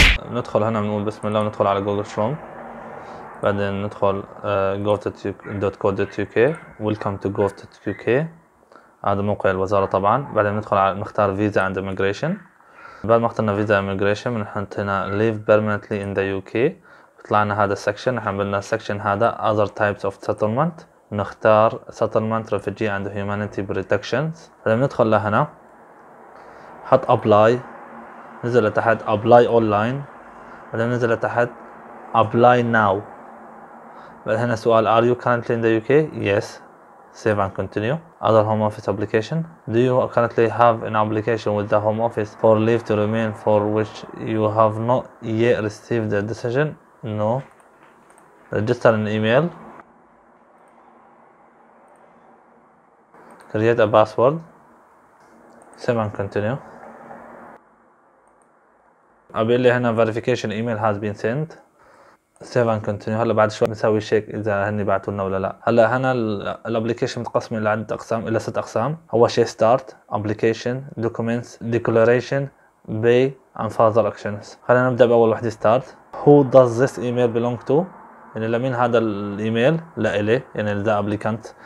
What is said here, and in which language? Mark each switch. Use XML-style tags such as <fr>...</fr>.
<ar>ندخل هنا بنقول بسم الله وندخل على جوجل كروم، بعدين ندخل go.co.uk</ar> <en>welcome to go.uk،</en> <ar>هذا موقع الوزارة طبعا. بعدين ندخل على نختار فيزا عند immigration. بعد ما اخترنا فيزا immigration بنحط هنا</ar> <en>live permanently in the UK،</en> <ar>طلعنا هذا السكشن، نحن عملنا السكشن هذا</ar> <en>other types of settlement،</en> <ar>نختار</ar> <en>settlement refugee and humanity protections.</en> <ar>بعدين ندخل لهنا حط apply، نزل لتحت</ar> <en>apply online،</en> <ar>بعدين نزل لتحت</ar> <en>apply now.</en> <ar>هنا سؤال</ar> <en>Are you currently in the UK? Yes. Save and continue. Other home office application. Do you currently have an application with the home office for leave to remain for which you have not yet received a decision? No. Register an email. Create a password. Save and continue.</en> <ar>أبي لي هنا</ar> <en>verification email has been sent. Save and continue.</en> <ar>هلا بعد شوي نسوي شيك اذا هني بعثوا لنا ولا لا. هلا هنا الابلكيشن متقسم الى عدة اقسام، الى 6 اقسام. هو شيء</ar> <en>start application documents declaration pay and further actions.</en> <ar>خلينا نبدا باول وحده start.</ar> <en>Who does this email belong to؟</en> <ar>يعني لمين هذا الايميل؟ لالي، يعني لذا applicant.</ar>